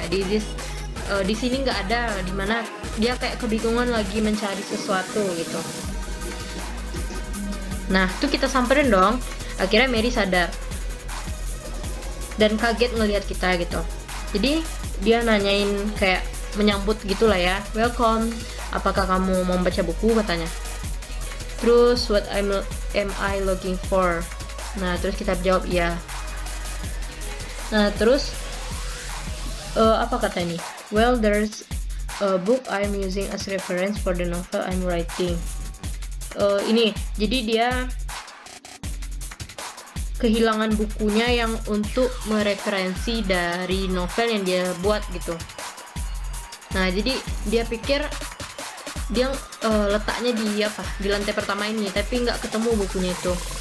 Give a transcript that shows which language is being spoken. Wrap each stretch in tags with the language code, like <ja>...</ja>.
<id>Di sini nggak ada, di mana dia kayak kebingungan lagi mencari sesuatu gitu. Nah, tuh kita samperin dong. Akhirnya Mary sadar dan kaget ngelihat kita gitu. Jadi dia nanyain kayak menyambut gitulah ya.</id> <en>Welcome.</en> <id>Apakah kamu mau baca buku? Katanya. Terus</id> <en>what am I looking for?</en> <id>Nah, terus kita jawab iya. Nah, terus apa kata ini?</id> <en>Well, there's a book I'm using as reference for the novel I'm writing.</en> <id>Ini, jadi dia kehilangan bukunya yang untuk mereferensi dari novel yang dia buat gitu. Nah, jadi dia pikir dia letaknya di apa? Di lantai pertama ini, tapi nggak ketemu bukunya itu.</id>